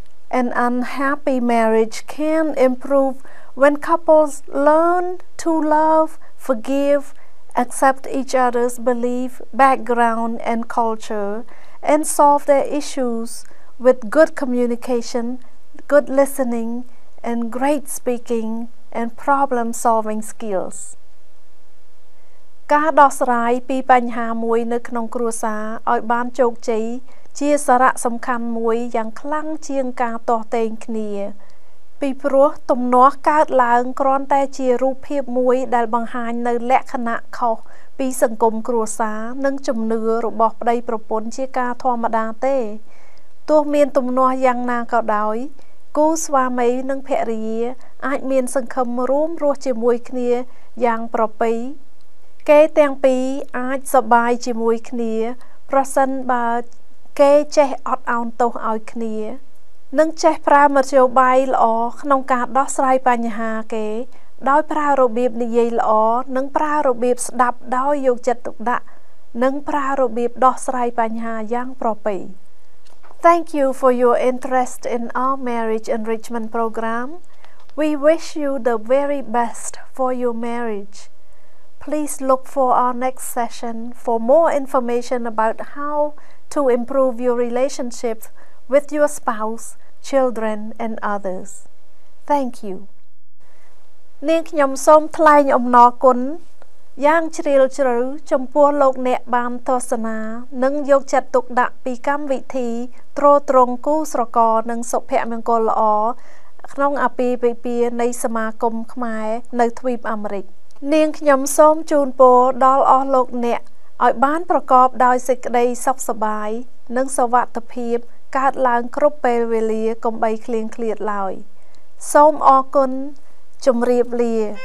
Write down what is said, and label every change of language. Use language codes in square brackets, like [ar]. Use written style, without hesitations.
[en] An unhappy marriage can improve when couples learn to love, forgive, accept each other's belief, background, and culture, and solve their issues with good communication, good listening and great speaking and problem solving skills. [km] ការដោះស្រាយពីបញ្ហាមួយនៅក្នុងគ្រួសារឲ្យបានជោគជ័យជាសារៈសំខាន់មួយយ៉ាងខ្លាំងជាងការទាស់ទែងគ្នាពីព្រោះទំនាស់កើតឡើងគ្រាន់តែជារូបភាពមួយដែលបង្ហាញនៅលក្ខណៈខុសពីសង្គមគ្រួសារនិងជំនឿរបស់ប្តីប្រពន្ធជាការធម្មតាទេទោះមានទំនាស់យ៉ាងណាក៏ដោយគូស្វាមីនិងភរិយាអាចមានសង្ឃឹមរួមរស់ជាមួយគ្នាយ៉ាងប្រពៃ គេទាំងពីរអាចសប្បាយជាមួយគ្នាប្រសិនបើគេចេះអត់ឱនទោសឲ្យគ្នានិងចេះប្រើមធ្យោបាយល្អក្នុងការដោះស្រាយបញ្ហាគេដោយប្រើរបៀបនិយាយល្អនិងប្រើរបៀបស្ដាប់ដោយយកចិត្តទុកដាក់និងប្រើរបៀបដោះស្រាយបញ្ហាយ៉ាងប្រពៃ [en] Thank you for your interest in our marriage enrichment program. We wish you the very best for your marriage. Please look for our next session for more information about how to improve your relationships with your spouse, children, and others. Thank you. [km] នាងខ្ញុំសូមថ្លែងអំណរគុណយ៉ាងជ្រាលជ្រៅចំពោះលោកអ្នកបានទស្សនានិងយកចិត្តទុកដាក់ពីកម្មវិធីទ្រទ្រង់គូស្រករនិងសុភមង្គលល្អ ក្នុងអាពាហ៍ពិពាហ៍នៃសមាគមខ្មែរនៅទ្វីបអាមេរិកនាងខ្ញុំសូមជូនពរដល់អស់លោកអ្នកឲ្យបានប្រកបដោយសេចក្តីសុខសប្បាយនិងសុវត្ថិភាពកើតឡើងគ្រប់ពេលវេលាកុំបីឃ្លៀងឃ្លាតឡើយសូមអរគុណជម្រាបលា